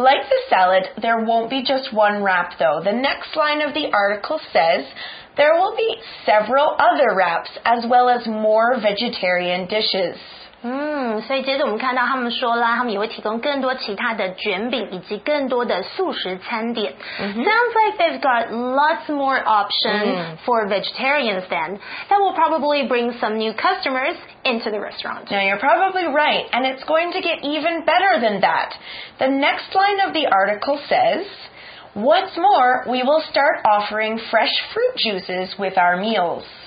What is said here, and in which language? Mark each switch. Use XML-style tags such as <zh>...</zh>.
<en>Like the salad, there won't be just one wrap though. The next line of the article says, there will be several other wraps as well as more vegetarian dishes.</en> <zh>所以接着我们看到他们说啦他们也会提供更多其他的卷饼以及更多的素食餐点。</zh> <en>Mm-hmm. Sounds like they've got lots more options for vegetarians then. That will probably bring some new customers into the restaurant. Now you're probably right, and it's going to get even better than that. The next line of the article says,What's more, we will start offering fresh fruit juices with our meals.</en>